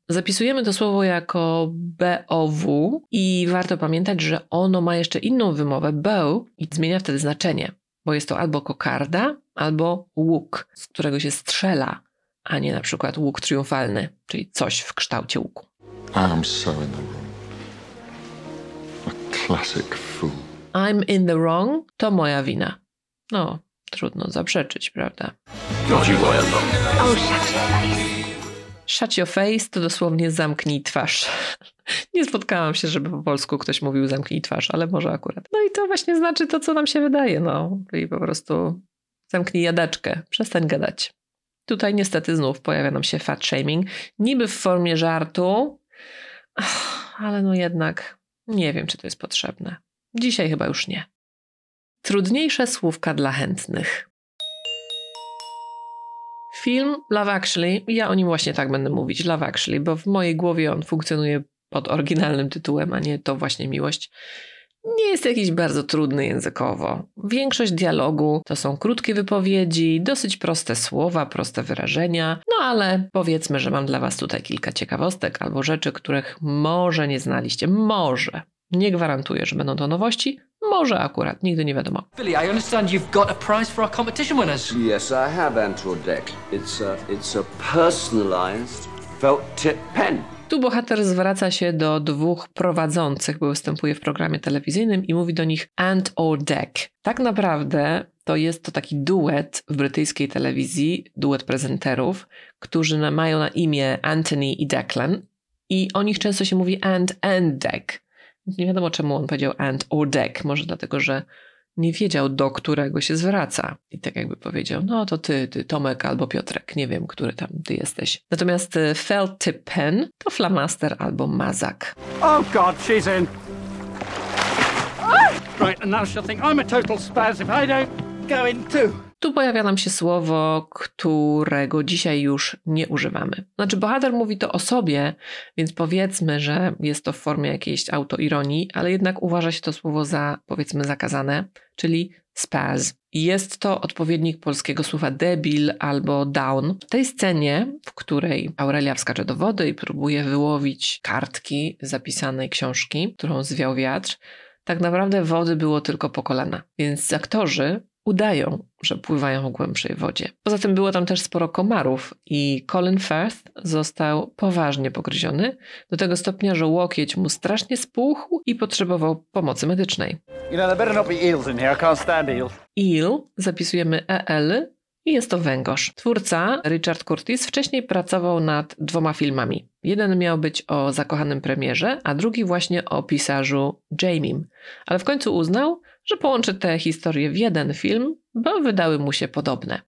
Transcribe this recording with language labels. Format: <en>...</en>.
<pl>Zapisujemy to słowo jako B-O-W i warto pamiętać, że ono ma jeszcze inną wymowę, bow, i zmienia wtedy znaczenie, bo jest to albo kokarda, albo łuk, z którego się strzela, a nie na przykład łuk triumfalny, czyli coś w kształcie łuku.</pl> <en>I'm so in the wrong. A classic fool. I'm in the wrong</en> <pl>to moja wina. No, trudno zaprzeczyć, prawda?</pl> <en>Shut your face</en> <pl>to dosłownie zamknij twarz. Nie spotkałam się, żeby po polsku ktoś mówił zamknij twarz, ale może akurat. No i to właśnie znaczy to, co nam się wydaje. No, czyli po prostu zamknij jadaczkę, przestań gadać. Tutaj niestety znów pojawia nam się fat shaming, niby w formie żartu, ale no jednak nie wiem, czy to jest potrzebne. Dzisiaj chyba już nie. Trudniejsze słówka dla chętnych. Film Love Actually, ja o nim właśnie tak będę mówić, Love Actually, bo w mojej głowie on funkcjonuje pod oryginalnym tytułem, a nie To właśnie miłość, nie jest jakiś bardzo trudny językowo. Większość dialogu to są krótkie wypowiedzi, dosyć proste słowa, proste wyrażenia, no ale powiedzmy, że mam dla Was tutaj kilka ciekawostek albo rzeczy, których może nie znaliście, może. Nie gwarantuję, że będą to nowości. Może akurat, nigdy nie wiadomo.</pl> <en>Billy, I understand you've got a prize for our competition winners. Yes, I have, Antrodek. It's a personalized felt tip pen.</en> <pl>Tu bohater zwraca się do dwóch prowadzących, bo występuje w programie telewizyjnym i mówi do nich Ant or Deck. Tak naprawdę to jest to taki duet w brytyjskiej telewizji, duet prezenterów, którzy mają na imię Anthony i Declan i o nich często się mówi Ant and Deck. Nie wiadomo, czemu on powiedział and or deck. Może dlatego, że nie wiedział, do którego się zwraca. I tak jakby powiedział, no to ty Tomek albo Piotrek. Nie wiem, który tam ty jesteś. Natomiast felt tip pen to flamaster albo mazak.</pl> <en>Oh God, she's in. Right, and now she'll think I'm a total spaz if I don't go in too.</en> <pl>Tu pojawia nam się słowo, którego dzisiaj już nie używamy. Znaczy, bohater mówi to o sobie, więc powiedzmy, że jest to w formie jakiejś autoironii, ale jednak uważa się to słowo za, powiedzmy, zakazane, czyli spaz. Jest to odpowiednik polskiego słowa debil albo down. W tej scenie, w której Aurelia wskacze do wody i próbuje wyłowić kartki zapisanej książki, którą zwiał wiatr, tak naprawdę wody było tylko po kolana, więc aktorzy udają, że pływają w głębszej wodzie. Poza tym było tam też sporo komarów i Colin Firth został poważnie pogryziony do tego stopnia, że łokieć mu strasznie spuchł i potrzebował pomocy medycznej.</pl> <en>You know, there better not be eels in here. I can't stand eels.</en> <pl>Eel, zapisujemy E-L i jest to węgorz. Twórca Richard Curtis wcześniej pracował nad dwoma filmami. Jeden miał być o zakochanym premierze, a drugi właśnie o pisarzu Jamie'm. Ale w końcu uznał, że połączy te historie w jeden film, bo wydały mu się podobne.</pl>